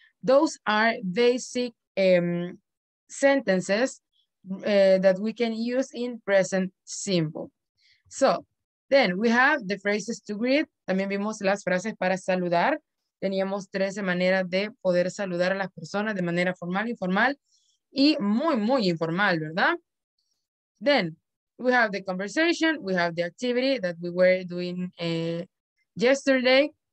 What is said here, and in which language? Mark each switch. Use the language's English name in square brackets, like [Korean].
[English] Those are basic sentences that we can use in present simple. So then we have the phrases to greet. [Spanish] También vimos las frases para saludar. Teníamos 13 maneras de poder saludar a las personas de manera formal, informal y muy, muy informal, ¿verdad? [English] Then we have the conversation, we have the activity that we were doing yesterday.